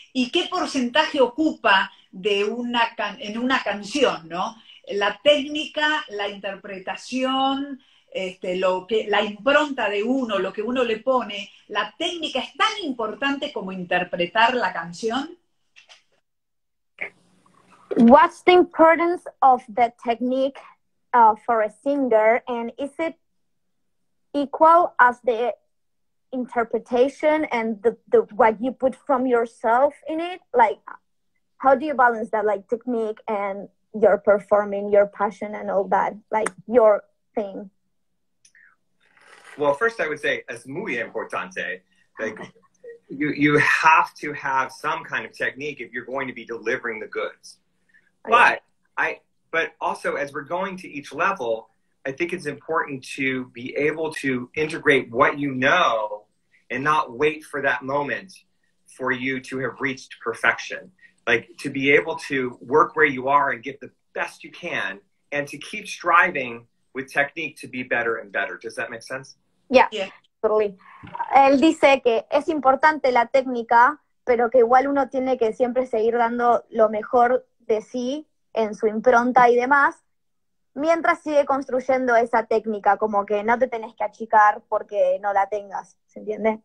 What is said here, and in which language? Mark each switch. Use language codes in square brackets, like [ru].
[es] ¿Y qué porcentaje ocupa en una canción, ¿no? La técnica, la interpretación, la impronta de uno, lo que uno le pone, ¿la técnica es tan importante como interpretar la canción? [en] What's the importance of the technique for a singer, and is it equal as the interpretation and the what you put from yourself in it? Like, how do you balance that, like, technique and your performing, your passion and all that, like, your thing? Well, first I would say [es] es muy importante. [en] Like, you have to have some kind of technique if you're going to be delivering the goods. But also, as we're going to each level, I think it's important to be able to integrate what you know and not wait for that moment for you to have reached perfection. Like to be able to work where you are and get the best you can and to keep striving with technique to be better and better. Does that make sense? Yeah. Totally. [es] Él dice que es importante la técnica, pero que igual uno tiene que siempre seguir dando lo mejor de sí en su impronta y demás. Mientras sigue construyendo esa técnica, como que no te tenés que achicar porque no la tengas, ¿se entiende?